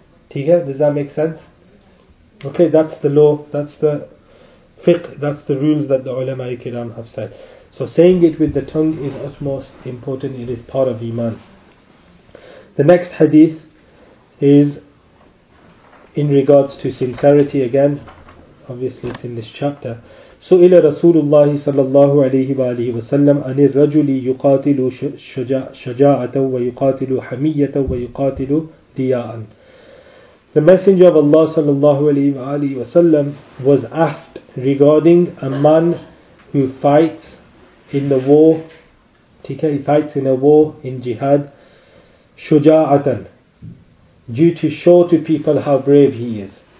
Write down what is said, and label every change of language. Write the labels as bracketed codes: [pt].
[en] Tiga, does that make sense? Okay, that's the law, that's the fiqh, that's the rules that the ulama ikram have said. So saying it with the tongue is utmost important, it is part of iman. The next hadith is in regards to sincerity again, obviously it's in this chapter. [ar] سئل رسول الله صلى الله عليه وآله وسلم عن الرجل يقاتل شجاعة ويقاتل حمية ويقاتل رياء. [en] The Messenger of Allah [ar] صلى الله عليه وآله وسلم [en] was asked regarding a man who fights in the war, he fights in a war in jihad, شجاعة, due to show to people how brave he is.